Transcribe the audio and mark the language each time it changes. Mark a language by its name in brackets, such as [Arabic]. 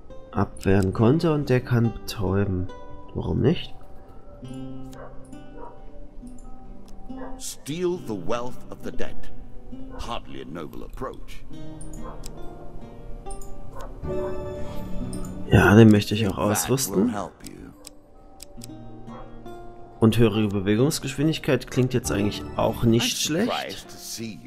[German] Abwehren konnte und der kann betäuben. Warum nicht? [English] Steal the wealth of the dead. Hardly a noble approach. [German] Ja, den möchte ich auch ausrüsten. Und höhere Bewegungsgeschwindigkeit klingt jetzt eigentlich auch nicht schlecht.